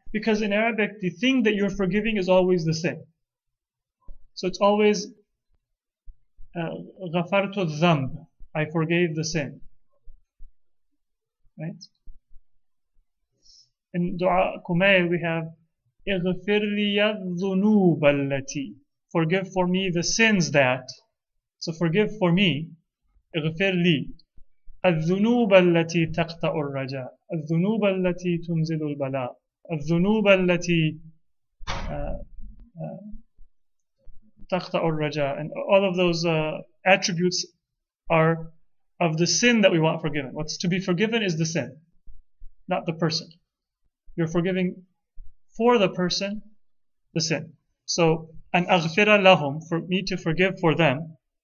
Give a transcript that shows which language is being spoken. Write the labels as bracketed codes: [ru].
[en] Because in Arabic, the thing that you're forgiving is always the sin. So it's always [ar] غفرت الذنب. [en] I forgave the sin. Right? In Dua Kumail, we have [ar] اغفر لي الذنوب التي. [en] Forgive for me the sins that. So forgive for me. [ar] اغفر لي الذنوب التي تقطع الرجاء. الذنوب التي تنزل البلاء. الذنوب التي تقطع الرجاء. [en] And all of those attributes are of the sin that we want forgiven. What's to be forgiven is the sin, not the person. You're forgiving for the person, the sin. So, an [ar] أغفر لهم, [en] for me to forgive for them.